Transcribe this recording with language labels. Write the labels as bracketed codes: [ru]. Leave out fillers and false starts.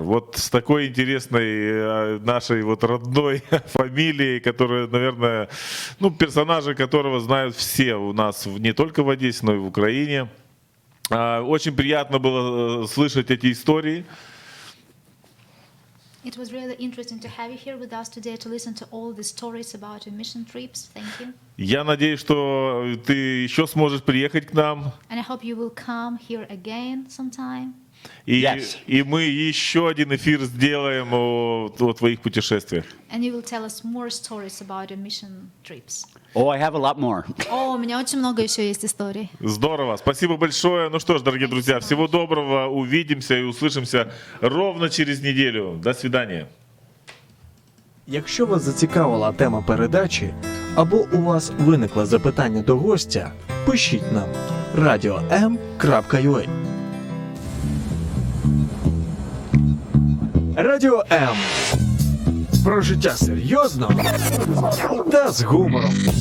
[ru] Вот с такой интересной нашей вот родной фамилией, которая, наверное, ну, персонажа которого знают все у нас не только в Одессе, но и в Украине. Очень приятно было слышать эти истории. [en] It was really interesting to have you here with us today to listen to all the stories about your mission trips. Thank you. [ru] Я надеюсь, что ты еще сможешь приехать к нам. [en] And I hope you will come here again sometime. Yes. [ru] И мы еще один эфир сделаем о твоих путешествиях. [en] And you will tell us more stories about your mission trips. Oh, I have a lot more. [ru] У меня очень много еще есть историй. Здорово, спасибо большое. Ну что ж, дорогие [en] Thank [ru] друзья, всего [en] so [ru] доброго. Увидимся и услышимся ровно через неделю. До свидания. [uk] Якщо вас зацікавила тема передачі, або у вас виникло запитання до гостя, пишіть нам radio.m.ua. Радіо М. Про життя серйозно та з гумором.